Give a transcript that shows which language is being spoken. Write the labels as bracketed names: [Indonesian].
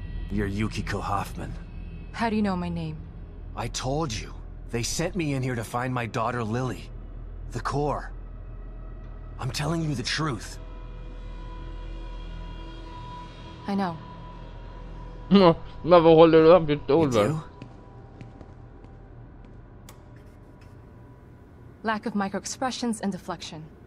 [English] You're Yukiko Hoffman. How do you know my name? I told you. They sent me in here to find my daughter Lily. The core. I'm telling you the truth. I know. [Swedish] Men vad håller du på med, Oliver? [English] Lack of microexpressions and deflection.